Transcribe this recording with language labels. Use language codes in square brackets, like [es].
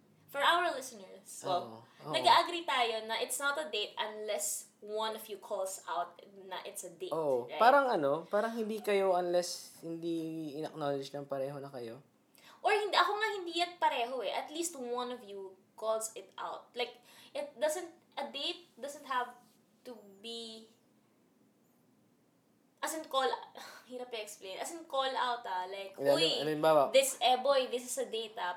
[en] For our listeners, [tl] nag-agree tayo na [en] it's not a date unless one of you calls out na it's a date. Oh, right? [tl] Parang ano, parang hindi kayo unless hindi in-acknowledge ng pareho na kayo. Or hindi, ako nga hindi yet pareho eh. [en] At least one of you calls it out. Like, it doesn't, a date doesn't have to be, as in call, [tl] hirap i-explain. [en] As in call out ah, like, uy, [tl] alimbawa, [en] this, eh boy, this is a date ah.